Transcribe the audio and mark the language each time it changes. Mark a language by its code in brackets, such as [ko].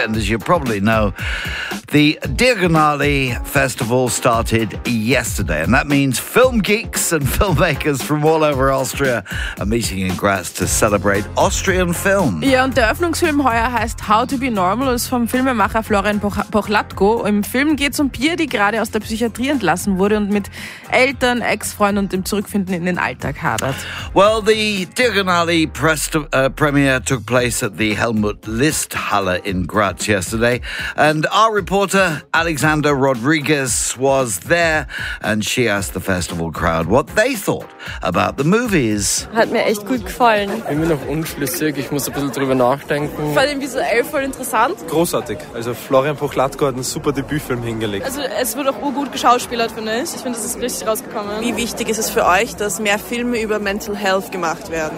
[en] And as you probably know, the Diagonale Festival started yesterday. And that means film geeks and filmmakers from all over Austria are meeting in Graz to celebrate Austrian film. [de] Ja, und der Öffnungsfilm heuer heißt How to be Normal, ist vom Filmemacher Florian Pochlatko. Im Film geht es um Pia, die gerade aus der Psychiatrie entlassen wurde und mit Eltern, Ex-Freunden und dem Zurückfinden in den Alltag hadert. [en] Well, the Diagonale premiere took place at the Helmut List Halle in Graz yesterday. And our reporter Alexander Rodriguez was there and she asked the festival crowd what they thought about the movies. [de] Hat mir echt gut gefallen. Ich bin mir noch unschlüssig, ich muss ein bisschen drüber nachdenken. Fand den visuell voll interessant. Großartig. Also Florian Pochlatko hat einen super Debütfilm hingelegt. Also es wurde auch urgut geschauspielert, finde ich. Ich finde, das ist richtig rausgekommen. Wie wichtig ist es für euch, dass mehr Filme über Mental Health gemacht werden?